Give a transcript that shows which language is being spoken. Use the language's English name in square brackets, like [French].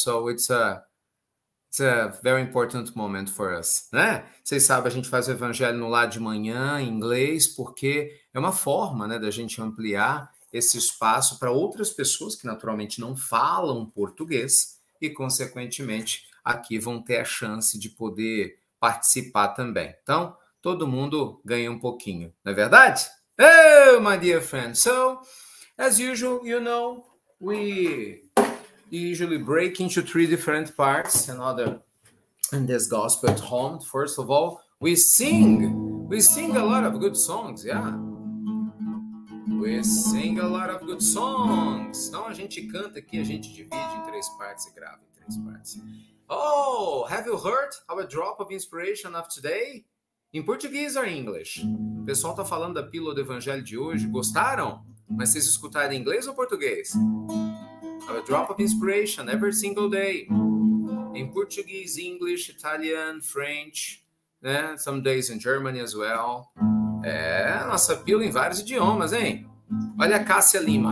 [English] So it's a It's a very important moment for us, né? [Portuguese] Vocês sabem, a gente faz o evangelho no lar de manhã, em inglês, porque é uma forma, né, da gente ampliar esse espaço para outras pessoas que naturalmente não falam português e, consequentemente, aqui vão ter a chance de poder participar também. Então, todo mundo ganha um pouquinho, não é verdade? [English] Oh, my dear friend. So, as usual, you know, we... usually break into three different parts in this gospel at home. First of all, we sing a lot of good songs, yeah. We sing a lot of good songs. [Portuguese] Então a gente canta aqui, a gente divide em três partes e grava em três partes. [English] Oh, have you heard our drop of inspiration of today? In Portuguese or English? [Portuguese] O pessoal tá falando da pílula do evangelho de hoje. Gostaram? Mas vocês escutaram em inglês ou português? [English] Our drop of inspiration every single day. In Portuguese, English, Italian, French. Né? Some days in Germany as well. [Portuguese] É, nossa pílula em vários idiomas, hein? Olha a Cássia Lima.